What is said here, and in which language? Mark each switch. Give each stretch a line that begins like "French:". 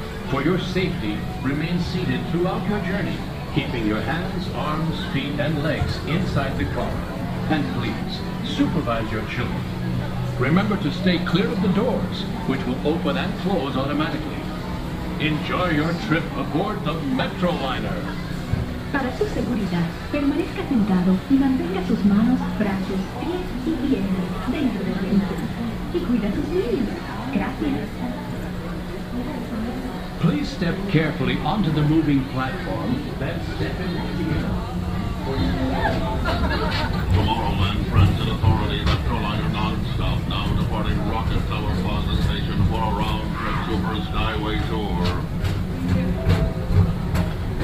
English: For your safety, remain seated throughout your journey, keeping your hands, arms, feet, and legs inside the car. And please, supervise your children. Remember to stay clear of the doors, which will open and close automatically. Enjoy your trip aboard the Metroliner.
Spanish: Para su seguridad, permanezca sentado y mantenga sus manos, brazos, pies y piernas dentro del vehículo. Y cuida sus niños. Gracias.
English: Please step carefully onto the moving platform, then step in the vehicle. Tomorrowland friends and authority, Metroliner non-stop now departing Rockefeller Plaza Station for a round trip Super Skyway Tour.